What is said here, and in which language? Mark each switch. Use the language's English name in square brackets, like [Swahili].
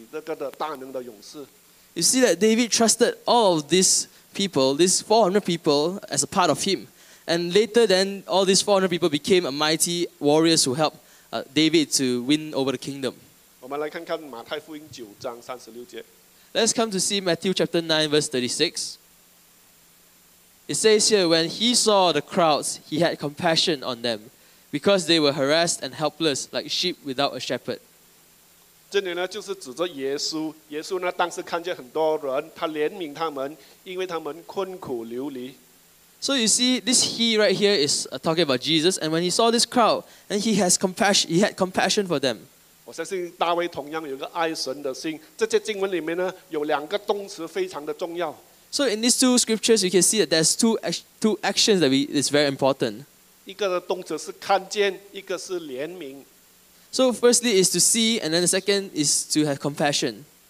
[Chinese] 成为大卫的大能的勇士，来到成为以后他在建立他的王国的时候，这400人就是他的这个班底那个的大能的勇士。 [English] You see that David trusted all of these people, these 400 people as a part of him, and later then all these 400 people became a mighty warriors who helped David to win over the kingdom. [Chinese] 我们来看看马太福音9章36节。 [English] Let's come to see Matthew chapter 9 verse 36. It says here, when he saw the crowds, he had compassion on them, because they were harassed and helpless, like sheep without a shepherd. [Chinese] 这里呢，就是指着耶稣。耶稣呢，当时看见很多人，他怜悯他们，因为他们困苦流离。 [English] So you see, this he right here is talking about Jesus, and when he saw this crowd, and he has compassion, he had compassion for them. [Chinese] 我相信大卫同样有个爱神的心。这节经文里面呢，有两个动词非常的重要。 [English] So in these two scriptures, you can see that there's two actions that is very important. [Chinese] 一个动词是看见，一个是怜悯。 [English] So firstly is to see, and then the second is to have compassion.